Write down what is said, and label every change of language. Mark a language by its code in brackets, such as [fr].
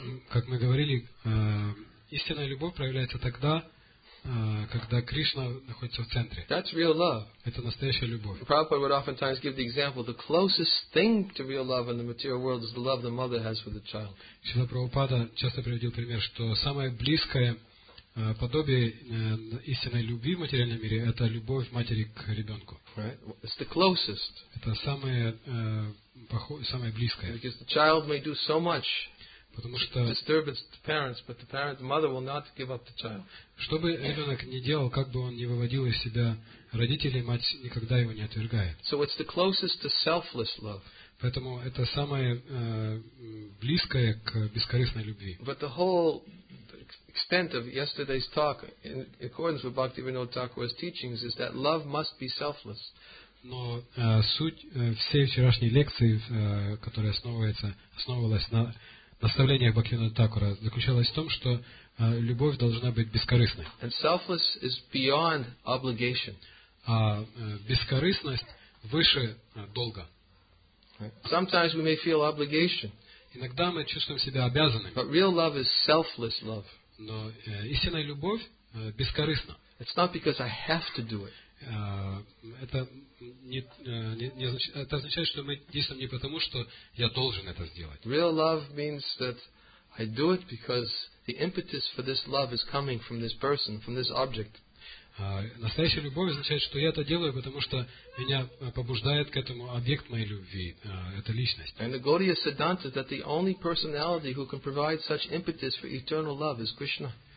[ru] Как мы говорили, истинная любовь проявляется тогда, когда Кришна находится в центре. [en] That's real love. [ru] Это настоящая любовь. [en] Prabhupada would oftentimes give the example, the closest thing to real love in the material world is the love the mother has for the child. [ru] Шрила Прабхупада часто приводил пример, что самое близкое подобие истинной любви в материальном мире – это любовь матери к ребенку. [en] Right. It's the closest. [ru] Это самое, самое близкое. [en] Because the child may do so much. [ru] Потому что [en] disturbance to parents, but the parent, the mother will not give up the child. [ru] Что бы ребенок ни делал, как бы он ни выводил из себя родителей, мать никогда его не отвергает. [en] So it's the closest to selfless love. [ru] Поэтому это самое близкое к бескорыстной любви. [en] But the whole extent of yesterday's talk, in accordance with Bhaktivinoda Thakura's teachings, is that love must be selfless. [ru] Но суть всей вчерашней лекции, которая основывалась на наставлениях Бхактивинода Такура, заключалось в том, что любовь должна быть бескорыстной. [en] And selfless is beyond obligation. [ru] А бескорыстность выше долга. [en] Sometimes we may feel obligation. [ru] Иногда мы чувствуем себя обязанными. [en] But real love is selfless love. [ru] Но истинная любовь бескорыстна. [en] It's not because I have to do it. [ru] Это означает, что мы действуем не потому, что я должен это сделать. [en] Real love means that I do it because the impetus for this love is coming from this person, from this object. [ru] Настоящая любовь означает, что я это делаю, потому что меня побуждает к этому объект моей любви, эта личность. [en] And the Gaudiya Siddhanta that the only personality who can provide such impetus for eternal love is Krishna.